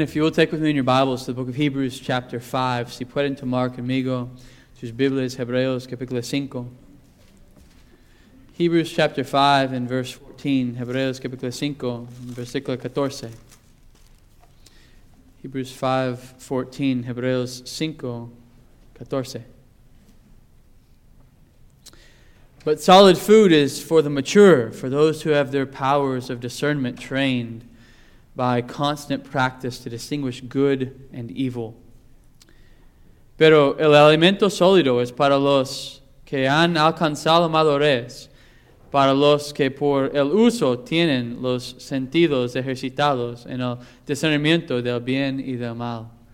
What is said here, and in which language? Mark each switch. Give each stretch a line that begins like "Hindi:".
English: If you will take with me in your Bibles to the book of Hebrews, chapter 5.
Spanish: Si pueden tomar conmigo sus Biblias, Hebreos, capítulo 5.
English: Hebrews, chapter 5, and verse 14.
Spanish: Hebreos, capítulo 5, versículo 14.
English: Hebrews 5, 14.
Spanish: Hebreos 5, 14.
English: But solid food is for the mature, for those who have their powers of discernment trained by constant practice to distinguish good and evil.
Spanish: Pero el alimento sólido es para los que han alcanzado madurez, para los que por el uso tienen los sentidos ejercitados en el discernimiento del bien y del mal.